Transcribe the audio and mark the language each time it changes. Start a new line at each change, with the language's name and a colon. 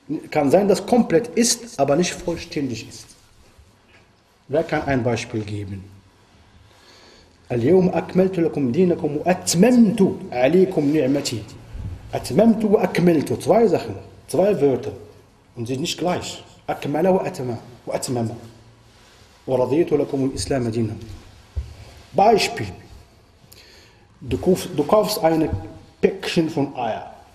German: Kann sein, dass komplett ist, aber nicht vollständig ist. Wer kann ein Beispiel geben?
Arabic: اليوم أكملت لكم دينكم وأتممت عليكم نعمتي. أتممت وأكملت.
German: Zwei Sachen, zwei Wörter. Und sie sind nicht gleich.
Arabic: أكمل وأتمم. ورضيت لكم الإسلام دينا.
German: Beispiel. Du kaufst ein Päckchen von Eier.